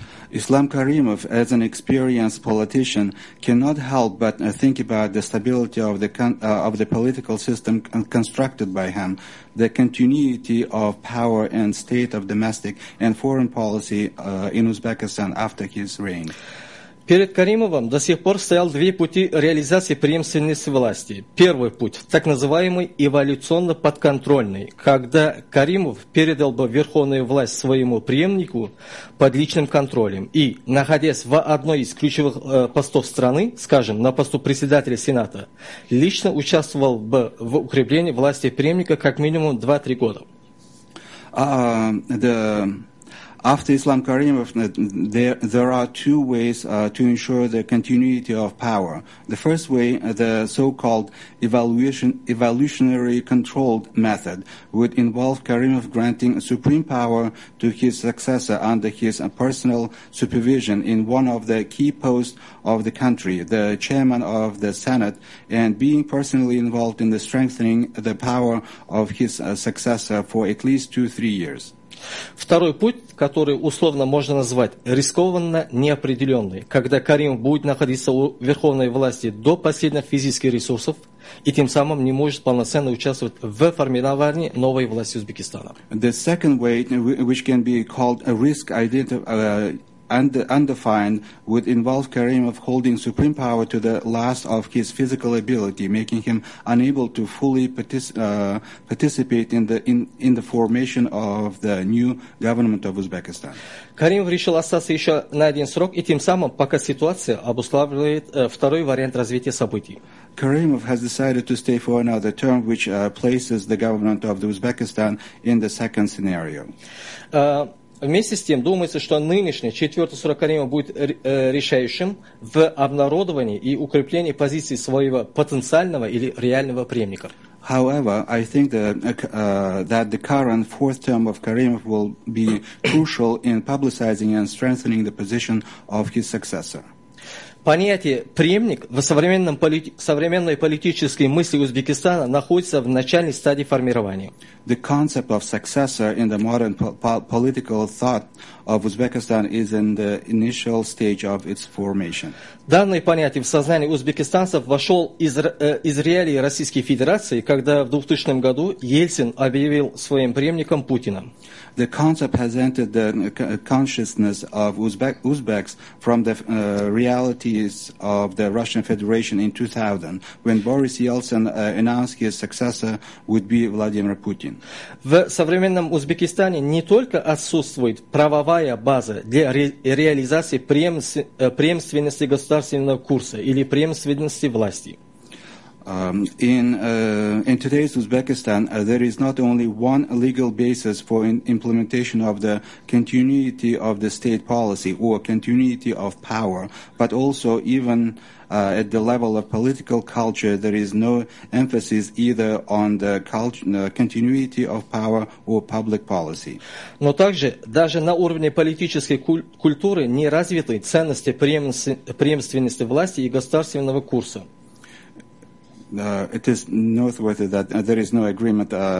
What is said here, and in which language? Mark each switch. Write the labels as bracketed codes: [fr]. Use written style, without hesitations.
[en] Ислам Каримов, as an experienced politician, cannot help but think about the stability of the political system constructed by him, the continuity of power and state of domestic and foreign policy in Uzbekistan after his reign. [ru] Перед Каримовым до сих пор стоял две пути реализации преемственности власти. Первый путь – так называемый эволюционно-подконтрольный, когда Каримов передал бы верховную власть своему преемнику под личным контролем и, находясь в одной из ключевых постов страны, скажем, на посту председателя Сената, лично участвовал бы в укреплении власти преемника как минимум 2-3 года. [en] After Islam Karimov, there are two ways to ensure the continuity of power. The first way, the so-called evolutionary controlled method, would involve Karimov granting supreme power to his successor under his personal supervision in one of the key posts of the country, the chairman of the Senate, and being personally involved in the strengthening the power of his successor for at least 2-3 years. [ru] Второй путь, который условно можно назвать рискованно неопределенный, когда Карим будет находиться у верховной власти до последних физических ресурсов и тем самым не может полноценно участвовать в формировании новой власти Узбекистана. [en] The second way, which can be called a risk undefined, would involve Karimov holding supreme power to the last of his physical ability, making him unable to fully participate in the formation of the new government of Uzbekistan. [ru] Karimov решил остаться еще на один срок, и тем самым, пока ситуация обуславливает второй вариант развития событий. [en] Karimov has decided to stay for another term, which places the government of the Uzbekistan in the second scenario. [ru] Вместе с тем думается, что нынешний четвертый срок Каримова будет решающим в обнародовании и укреплении позиции своего потенциального или реального преемника. [en] However, I think that the current fourth term of Karimov will be crucial in publicizing and strengthening the position of his successor. [ru] Понятие «преемник» в современной политической мысли Узбекистана находится в начальной стадии формирования. [en] The concept of successor in the modern political thought of Uzbekistan is in the initial stage of its formation. [ru] Данное понятие в сознании узбекистанцев вошел из реалии Российской Федерации, когда в 2000 году Ельцин объявил своим преемником Путина. [en] The concept has entered the consciousness of Uzbeks from the realities of the Russian Federation in 2000, when Boris Yeltsin announced his successor would be Vladimir Putin. [ru] В современном Узбекистане не только отсутствует правовая база для реализации преемственности государственного курса или преемственности власти. [en] In today's Uzbekistan, there is not only one legal basis for implementation of the continuity of the state policy or continuity of power, but also even at the level of political culture, there is no emphasis either on the continuity of power or public policy. [ru] Но также даже на уровне политической культуры не развиты ценности преемственности власти и государственного курса. [en] It is noteworthy that there is no agreement.